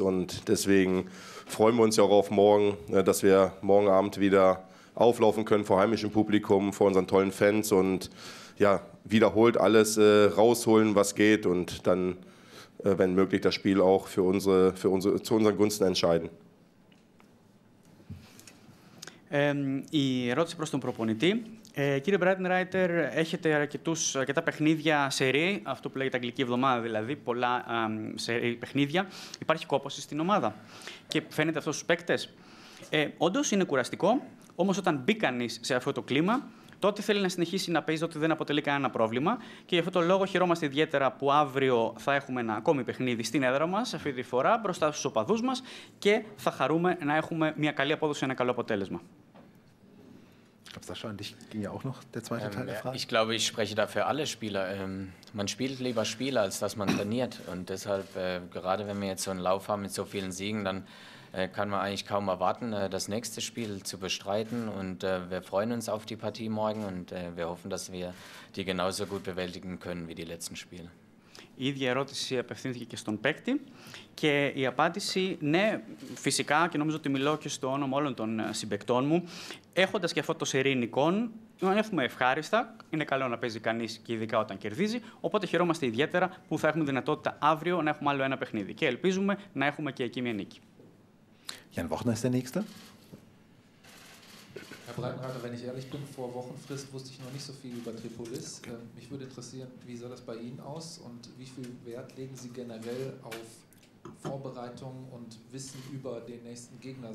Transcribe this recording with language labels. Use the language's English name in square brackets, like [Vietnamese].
[German] Und deswegen freuen wir uns ja auch auf morgen, dass wir morgen Abend wieder auflaufen können vor heimischem Publikum, vor unseren tollen Fans und ja, wiederholt alles rausholen, was geht und dann, wenn möglich, das Spiel auch zu unseren Gunsten entscheiden. [Greek] Η ερώτηση προς τον προπονητή. Κύριε Breitenreiter, έχετε αρκετά παιχνίδια σερί, αυτό που λέγεται αγγλική εβδομάδα δηλαδή, πολλά σερί παιχνίδια. Υπάρχει κόπωση στην ομάδα και φαίνεται αυτό στους παίκτες. Όντως είναι κουραστικό, όμως όταν μπει κανείς σε αυτό το κλίμα, τότε θέλει να συνεχίσει να παίζει, ότι δεν αποτελεί κανένα πρόβλημα. Και γι' αυτό το λόγο χαιρόμαστε ιδιαίτερα που αύριο θα έχουμε ένα ακόμη παιχνίδι στην έδρα μας, αυτή τη φορά μπροστά στους οπαδούς μας και θα χαρούμε να έχουμε μια καλή απόδοση, ένα καλό αποτέλεσμα. [German] Sascha, an dich ging ja auch noch der zweite Teil der Frage. Ich glaube, ich spreche da für alle Spieler. Man spielt lieber Spiele, als dass man trainiert. Und deshalb, gerade wenn wir jetzt so einen Lauf haben mit so vielen Siegen, dann kann man eigentlich kaum erwarten, das nächste Spiel zu bestreiten. Und wir freuen uns auf die Partie morgen und wir hoffen, dass wir die genauso gut bewältigen können wie die letzten Spiele. [Greek] Η ίδια ερώτηση απευθύνθηκε και στον παίκτη και η απάντηση, ναι, φυσικά, και νομίζω ότι μιλώ και στο όνομα όλων των συμπαικτών μου, έχοντας και αυτό το σερί νικών, νιώθουμε ευχάριστα, είναι καλό να παίζει κανείς και ειδικά όταν κερδίζει, οπότε χαιρόμαστε ιδιαίτερα που θα έχουμε δυνατότητα αύριο να έχουμε άλλο ένα παιχνίδι και ελπίζουμε να έχουμε και εκεί μια νίκη. [German] Jan Wochner ist der Nächste. Herr Breitenreiter, wenn ich ehrlich bin, vor Wochenfrist wusste ich noch nicht so viel über Tripolis. Mich würde interessieren, wie sah das bei Ihnen aus und wie viel Wert legen Sie generell auf Vorbereitung und Wissen über den nächsten Gegner?